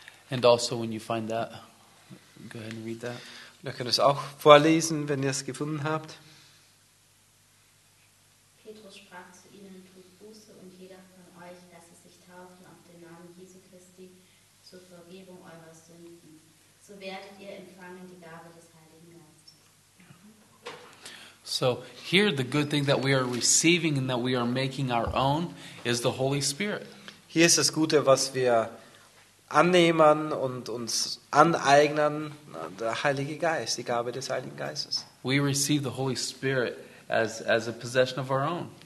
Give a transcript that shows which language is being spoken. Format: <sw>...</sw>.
<en>And also when you find that, go ahead and read that.</en> <de>Ihr könnt es auch vorlesen, wenn ihr es gefunden habt. Petrus sprach zu ihnen, tut Buße und jeder von euch lasse sich taufen auf den Namen Jesu Christi zur Vergebung eurer Sünden. So werdet ihr empfangen die Gabe des Heiligen Geistes.</de> <en>So, here the good thing that we are receiving and that we are making our own is the Holy Spirit.</en> <de>Hier ist das Gute, was wir annehmen und uns aneignen, der Heilige Geist, die Gabe des Heiligen Geistes.</de> <en>We receive the Holy Spirit as a possession of our own.</en>